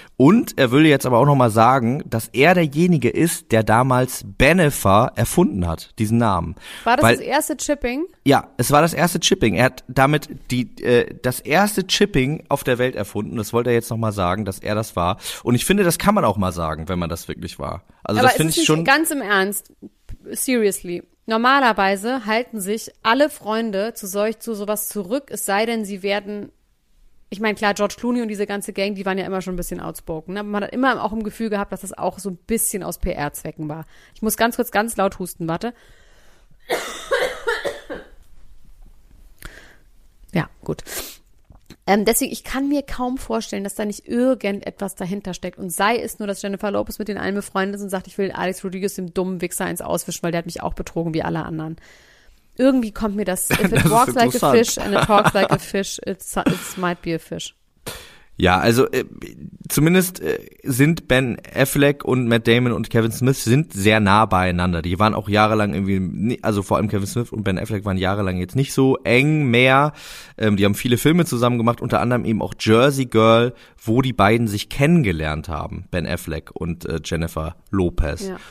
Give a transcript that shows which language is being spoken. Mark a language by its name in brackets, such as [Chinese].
[German] Und er will jetzt aber auch nochmal sagen, dass er derjenige ist, der damals Bennifer erfunden hat, diesen Namen. War das das erste Chipping? Ja, es war das erste Chipping. Er hat damit das erste Chipping auf der Welt erfunden. Das wollte er jetzt nochmal sagen, dass er das war. Und ich finde, das kann man auch mal sagen, wenn man das wirklich war. Also aber das finde ich schon. Ganz im Ernst, [English] seriously. [German] Normalerweise halten sich alle Freunde zu sowas zurück, es sei denn, sie werden. Ich meine, klar, George Clooney und diese ganze Gang, die waren ja immer schon ein bisschen outspoken. Aber man hat immer auch im Gefühl gehabt, dass das auch so ein bisschen aus PR-Zwecken war. Ich muss ganz kurz ganz laut husten, warte. Ja, gut. Deswegen, ich kann mir kaum vorstellen, dass da nicht irgendetwas dahinter steckt. Und sei es nur, dass Jennifer Lopez mit den allen befreundet ist und sagt, ich will Alex Rodriguez dem dummen Wichser eins auswischen, weil der hat mich auch betrogen wie alle anderen. Irgendwie kommt mir das, [English] if it [German] das [English] walks like a fish and it talks like a fish, it might be a fish. [German] Ja, also zumindest sind Ben Affleck und Matt Damon und Kevin Smith sind sehr nah beieinander. Die waren auch jahrelang irgendwie, also vor allem Kevin Smith und Ben Affleck waren jahrelang jetzt nicht so eng mehr. Die haben viele Filme zusammen gemacht, unter anderem eben auch Jersey Girl, wo die beiden sich kennengelernt haben, Ben Affleck und Jennifer Lopez. Ja.